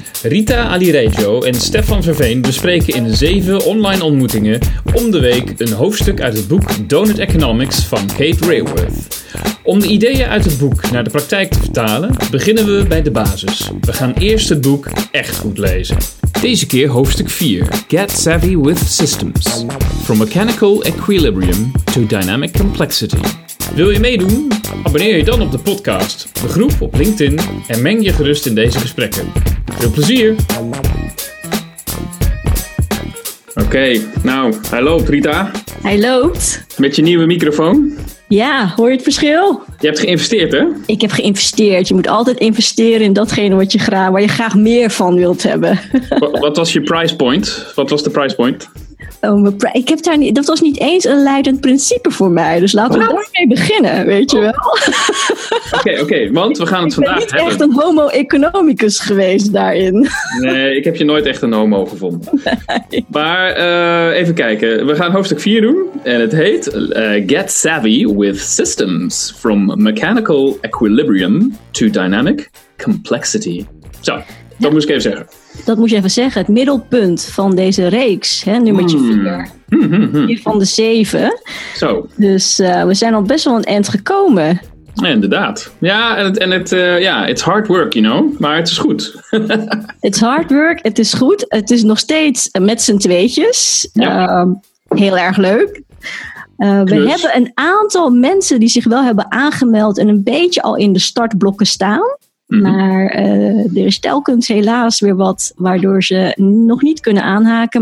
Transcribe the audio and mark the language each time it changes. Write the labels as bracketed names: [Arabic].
[Dutch] Rita Alireggio en Stefan Verveen bespreken in 7 online ontmoetingen om de week een hoofdstuk uit het boek Donut Economics van Kate Raworth. Om de ideeën uit het boek naar de praktijk te vertalen, beginnen we bij de basis. We gaan eerst het boek echt goed lezen. Deze keer hoofdstuk 4, Get Savvy with Systems. [English] From Mechanical Equilibrium to Dynamic Complexity. [Dutch] Wil je meedoen? Abonneer je dan op de podcast, de groep op LinkedIn en meng je gerust in deze gesprekken. Veel plezier! Oké, nou, hij loopt, Rita. Hij loopt. Met je nieuwe microfoon. Ja, hoor je het verschil? Je hebt geïnvesteerd, hè? Ik heb geïnvesteerd. Je moet altijd investeren in datgene wat je waar je graag meer van wilt hebben. Wat was je price point? Wat was de price point? Ik heb daar niet, dat was niet eens een leidend principe voor mij. Dus laten we daarmee beginnen, weet je wel. Oké, want we gaan het vandaag hebben. Ik ben niet echt een homo economicus geweest daarin. Nee, ik heb je nooit echt een homo gevonden. Nee. Maar even kijken. We gaan hoofdstuk 4 doen. En het heet Get Savvy with Systems. [English] From Mechanical Equilibrium to Dynamic Complexity. [Dutch] Zo, dat moest ik even zeggen. Dat moet je even zeggen. Het middelpunt van deze reeks, hè, nummertje 4. Van de 7. Zo. Dus we zijn al best wel een eind gekomen. Ja, inderdaad. [English] Ja, it's hard work, you know. [Dutch] Maar het is goed. [English] It's hard work, [Dutch] het is goed. Het is nog steeds met z'n tweetjes. Ja. Heel erg leuk. We hebben een aantal mensen die zich wel hebben aangemeld en een beetje al in de startblokken staan. Maar er is telkens helaas weer wat waardoor ze nog niet kunnen aanhaken.